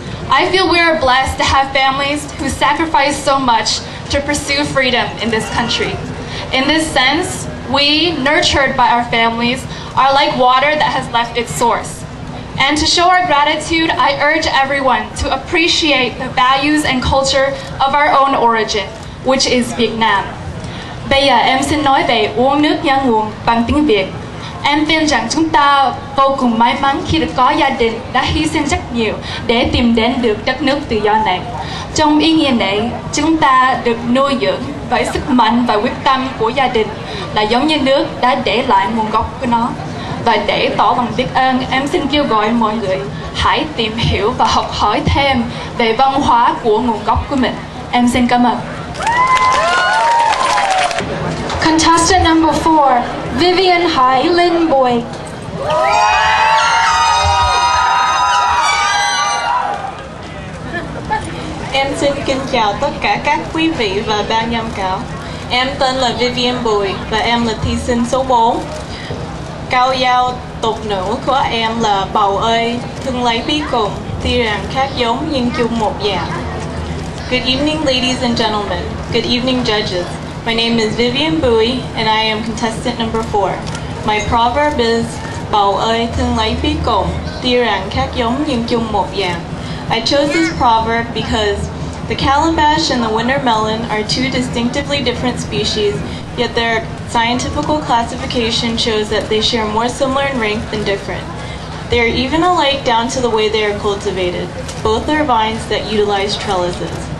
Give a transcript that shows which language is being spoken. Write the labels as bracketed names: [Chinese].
[English] I feel we are blessed to have families who sacrifice so much to pursue freedom in this country. In this sense, we, nurtured by our families, are like water that has left its source. And to show our gratitude, I urge everyone to appreciate the values and culture of our own origin, which is Vietnam. [Vietnamese] Bây giờ em xin nói về uống nước nhớ nguồn bằng tiếng Việt. Em tin rằng chúng ta vô cùng may mắn khi được có gia đình đã hy sinh rất nhiều để tìm đến được đất nước tự do này. Trong ý nghĩa này, chúng ta được nuôi dưỡng bởi sức mạnh và quyết tâm của gia đình, là giống như nước đã để lại nguồn gốc của nó. Và để tỏ lòng biết ơn, em xin kêu gọi mọi người hãy tìm hiểu và học hỏi thêm về văn hóa của nguồn gốc của mình. Em xin cảm ơn. [English] Contestant number 4, Vivian Hải Linh Bùi. [Vietnamese] Em xin kính chào tất cả các quý vị và ban giám khảo. Em tên là Vivian Bùi và em là thí sinh số 4. Câu dao tục nữ của em là bầu ơi, thương lấy bí cùng, tuy rằng khác giống nhưng chung một dạng. [English] Good evening, ladies and gentlemen. Good evening, judges. My name is Vivian Bui, and I am contestant number 4. My proverb is, [Vietnamese] bầu ơi, thương lấy bí cùng, tuy rằng khác giống nhưng chung một dạng. [English] I chose this proverb because the calabash and the winter melon are two distinctively different species, yet their scientific classification shows that they share more similar in rank than different. They are even alike down to the way they are cultivated. Both are vines that utilize trellises.